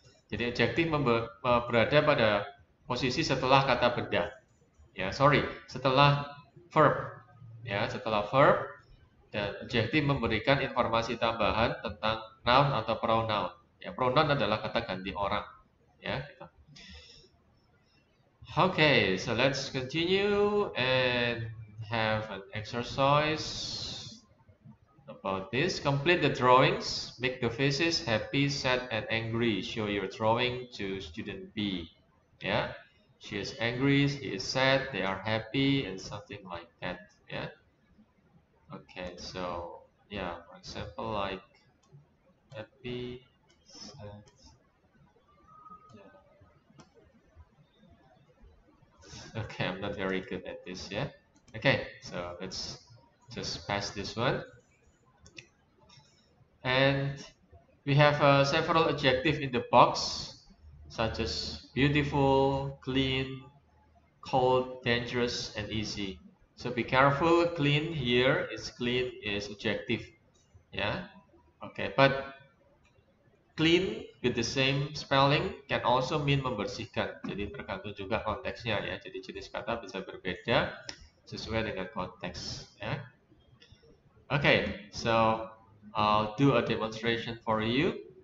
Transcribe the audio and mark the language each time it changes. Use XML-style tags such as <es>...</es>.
<id>Jadi adjective berada pada posisi setelah kata benda. Yeah. Sorry. Setelah verb. Yeah. Setelah verb. Dan adjective memberikan informasi tambahan tentang noun atau pronoun. Yeah. Pronoun adalah kata ganti orang. Yeah. Okay.</id> <en>So let's continue and have an exercise about this. Complete the drawings. Make the faces happy, sad, and angry. Show your drawing to student B. Yeah. She is angry, he is sad, they are happy, and something like that. Yeah. Okay, so yeah, for example, like happy, sad. Yeah. Okay, I'm not very good at this, yeah. Okay, so let's just pass this one. And we have several adjectives in the box, such as beautiful, clean, cold, dangerous, and easy. So be careful, clean here is clean is adjective. Yeah, okay, but clean with the same spelling can also mean membersihkan.</en> <id>Jadi tergantung juga konteksnya ya, jadi jenis kata bisa berbeda sesuai dengan konteks. Yeah.</id> <en>Okay, so I'll do a demonstration for you.</en>